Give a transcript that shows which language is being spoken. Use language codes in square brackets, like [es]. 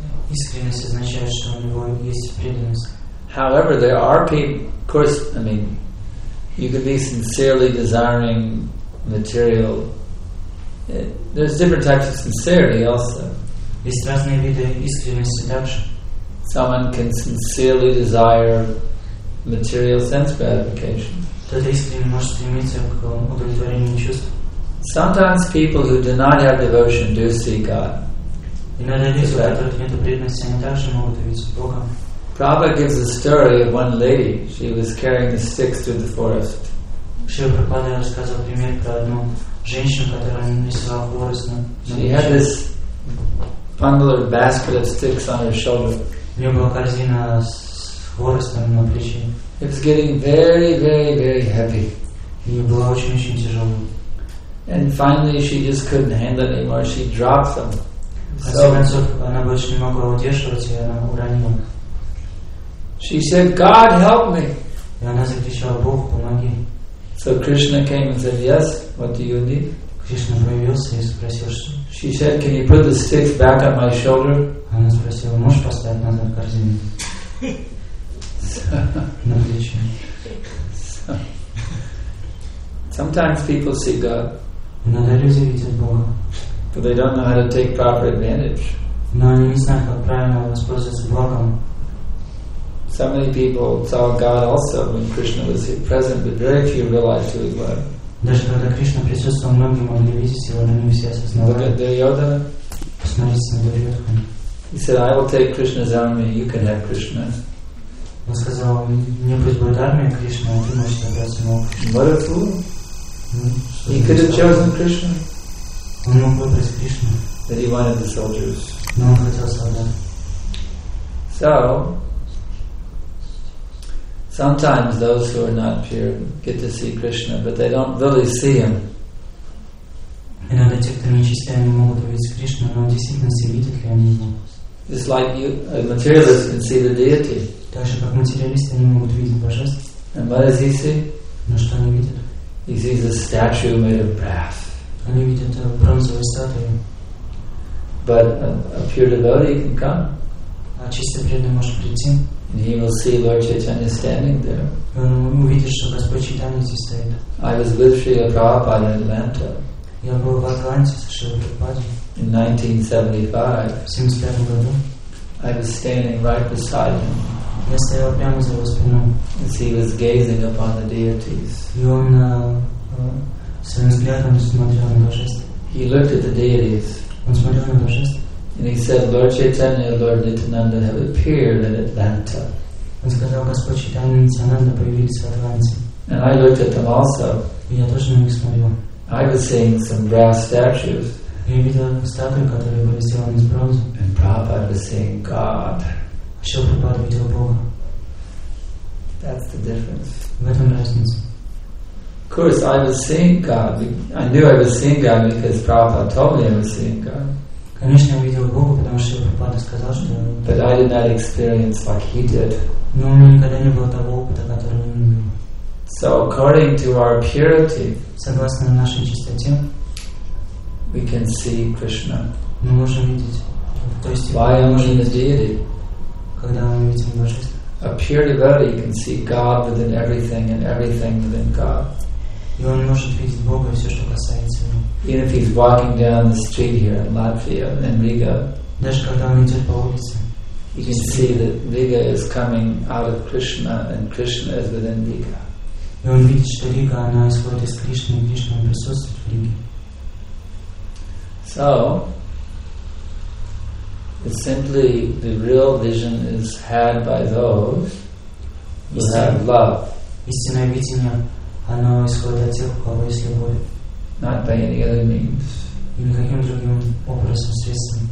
[ru] Искренность означает, что у него есть преданность. [en] However, there are people. Of course, I mean, you could be sincerely desiring material. There's different types of sincerity also. [ru] Есть разные виды искренности также. [en] Someone can sincerely desire material sense gratification. [ru] Кто-то искренне может стремиться к удовлетворению чувств. [en] Sometimes people who do not have devotion do see God. [ru] Иногда люди, у которых нет преданности, они также могут увидеть Бога. [en] Prabhupada gives a story of one lady. She was carrying the sticks through the forest. [ru] Шрила Прабхупада рассказывал пример про одну женщину, которая несла в горы. [en] She had this bundle or basket of sticks on her shoulder. [ru] У нее была корзина с хворостом на плече. [en] It was getting very, very, very heavy. [ru] Ее было очень-очень тяжело. [en] And finally she just couldn't handle it anymore. She dropped them. [ru] В конце концов, она больше не могла удерживать, и она уронила. [en] She said, God, help me. [ru] И она закричала, Бог, помоги. [en] So Krishna came and said, yes, what do you need? [ru] Кришна появился и спросил, что? [en] She said, can you put the sticks back on my shoulder? [ru] Она спросила, можешь поставить назад корзину? На плечо. [en] Sometimes people see God. [ru] Иногда люди видят Бога. [en] But they don't know how to take proper advantage. [ru] Но они не знают, как правильно воспользоваться Богом. [en] So many people saw God also when Krishna was here present, but very few realized who he was. [ru] Даже когда Кришна присутствовал, многие могли видеть его, но не все осознавали. [en] Look at Duryodhana. [ru] Посмотрите на Дурьодхану. [en] He said, I will take Krishna's army, you can have Krishna. [ru] Он сказал, мне пусть будет армия Кришна, а ты можешь забрать саму Кришну. [en] What a fool. He could have chosen Krishna. [ru] Он мог выбрать Кришну. [en] But he wanted the soldiers. [ru] Но он хотел солдат. [en] So, sometimes those who are not pure get to see Krishna, but they don't really see him. [ru] Иногда те, кто нечистые, не могут увидеть Кришну, но действительно все видят ли они его. [en] It's like you, a materialist can see the deity. [ru] Также как материалисты не могут видеть божество. [en] And what does he see? [ru] Но что они видят? [en] He sees a statue made of brass. [ru] Они видят бронзовую статую. [en] But a pure devotee can come. [ru] А чистый преданный может прийти. [en] And he will see Lord Chaitanya standing there. [ru] Он увидит, что Господь Чайтанья здесь стоит. [en] I was with Srila Prabhupada in Atlanta. [ru] Я был в Атланте со Шрилой Прабхупадой. [en] In 1975, [ru] году, [en] I was standing right beside him. [ru] Я стоял прямо за его спиной. [en] As he was gazing upon the deities. [ru] И он своим взглядом смотрел на божество. [en] He looked at the deities. [ru] Он смотрел на божество. [en] And he said, Lord Chaitanya, Lord Nityananda have appeared in Atlanta. [ru] Он сказал, Господь Чайтанья и Нитьянанда появились в Атланте. [en] And I looked at them also. [ru] И я тоже на них смотрел. [en] I was seeing some brass statues. [ru] Я видел статуи, которые были сделаны из бронзы. [en] And Prabhupada was seeing God. [ru] Шрила Прабхупада видел Бога. [en] That's the difference. [ru] В этом разница. [en] Of course, I was seeing God. I knew I was seeing God because Prabhupada told me I was seeing God. [ru] Конечно, я видел Бога, потому что Шрила Прабхупада сказал, что. [en] But I did not experience like he did. [ru] Но у меня никогда не было того опыта, который он имел. [en] So according to our purity. [ru] Согласно нашей чистоте. [en] We can see Krishna. [ru] Мы можем видеть. То есть. [en] Why am I in the deity? [ru] Когда мы видим божество. [en] A pure devotee can see God within everything, and everything within God. [ru] И он может видеть Бога и все, что касается его. [en] Even if he's walking down the street here in Latvia and Riga. [ru] Даже когда он идет по улице. [en] You can see that Riga is coming out of Krishna and Krishna is within Riga. [ru] И он видит, что Рига, она исходит из Кришны, и Кришна присутствует в Риге. [en] So, it's simply the real vision is had by those who have love. [ru] Истинное видение, оно исходит от тех, у кого есть любовь. Not by any other means. Или каким другим образом, средством.